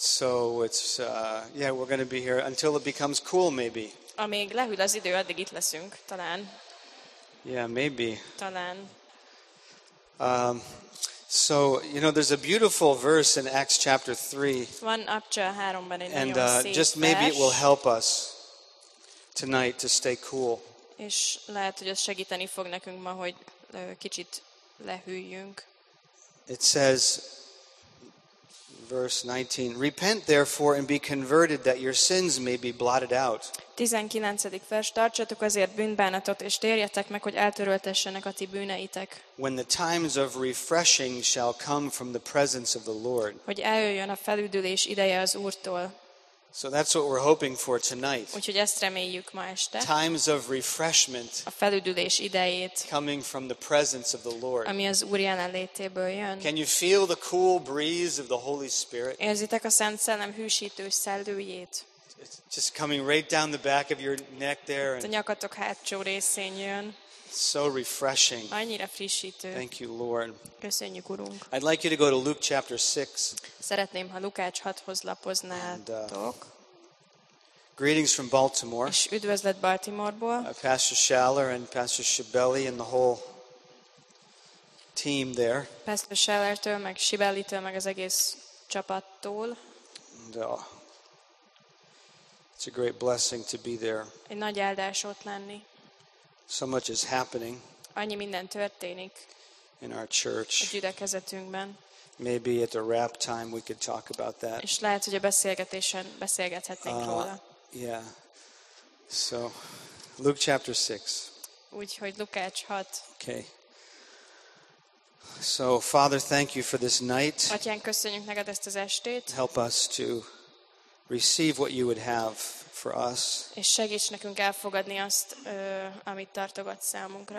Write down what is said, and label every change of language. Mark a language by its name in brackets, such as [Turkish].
[English] So it's we're going to be here until it becomes cool maybe. [Hungarian] Amíg lehűl az idő, addig itt leszünk, talán. [English] Yeah, maybe. [Hungarian] Talán. [English] So, you know, there's a beautiful verse in Acts chapter 3. [Hungarian] One abcsa 3-ban egy [English] and [Hungarian] nagyon szép [English] just maybe [Hungarian] vers. [English] It will help us tonight to stay cool. [Hungarian] És lehet, hogy ez segíteni fog nekünk ma, hogy kicsit lehűljünk. [English] It says, verse 19, repent therefore and be converted that your sins may be blotted out. [Hungarian] 19. vers, tartsatok azért bűnbánatot, és térjetek meg, hogy eltöröltessenek a ti bűneitek. [English] When the times of refreshing shall come from the presence of the Lord. [Hungarian] Hogy eljöjjön a felüdülés ideje az Úrtól. [English] So that's what we're hoping for tonight. [Hungarian] Úgyhogy ezt reméljük ma este. [English] Times of refreshment. [Hungarian] A felüdülés idejét. [English] Coming from the presence of the Lord. [Hungarian] Ami az Úr jelenlétéből jön. [English] Can you feel the cool breeze of the Holy Spirit? [Hungarian] Érzitek a Szent Szellem hűsítő szellőjét? [English] It's just coming right down the back of your neck there. [Hungarian] A nyakatok hátsó részén jön. [English] So refreshing. [Hungarian] Annyira frissítő. [English] Thank you, Lord. [Hungarian] Köszönjük, Urunk. [English] I'd like you to go to Luke chapter 6. [Hungarian] Szeretném, ha Lukács 6-hoz lapoznátok. [English] Greetings from Baltimore. [Hungarian] És üdvözlet Baltimoreból. [English] Pastor Schaller and Pastor Shibeli and the whole team there. [Hungarian] Pastor Schallertől, meg Shibelitől, meg az egész csapattól. [English] It's a great blessing to be there. [Hungarian] Egy nagy áldás ott lenni. [English] So much is happening. [Hungarian] Annyi minden történik. [English] In our church. [Hungarian] A gyülekezetünkben. [English] Maybe at the wrap time we could talk about that. [Hungarian] És lehet, hogy a beszélgetésen beszélgethetnénk róla. [English] Yeah. So, Luke chapter 6. [Hungarian] Úgyhogy Lukács 6. [English] Okay. So, Father, thank you for this night. [Hungarian] Atyán, köszönjük neked ezt az estét. [English] Help us to receive what you would have for us. [Hungarian] És segíts nekünk elfogadni azt, amit tartogatsz számunkra.